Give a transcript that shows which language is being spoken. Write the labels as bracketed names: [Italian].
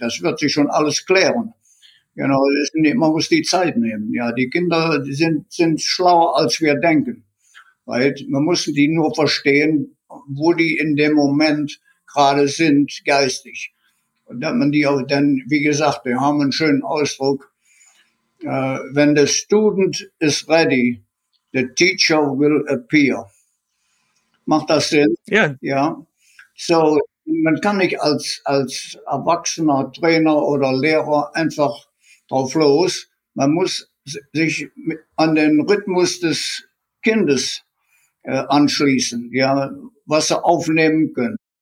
[German] Das wird sich schon alles klären. Genau, man muss die Zeit nehmen. Ja, die Kinder sind schlauer, als wir denken. Right? Man muss die nur verstehen, wo die in dem Moment gerade sind, geistig. Und dann, man die auch, denn, wie gesagt, wir haben einen schönen Ausdruck. [English] When the student is ready, the teacher will appear. [German] Macht das Sinn? Ja. Ja. So, man kann nicht als erwachsener Trainer oder Lehrer einfach drauf los. Man muss sich an den Rhythmus des Kindes anschließen, ja, was sie aufnehmen können.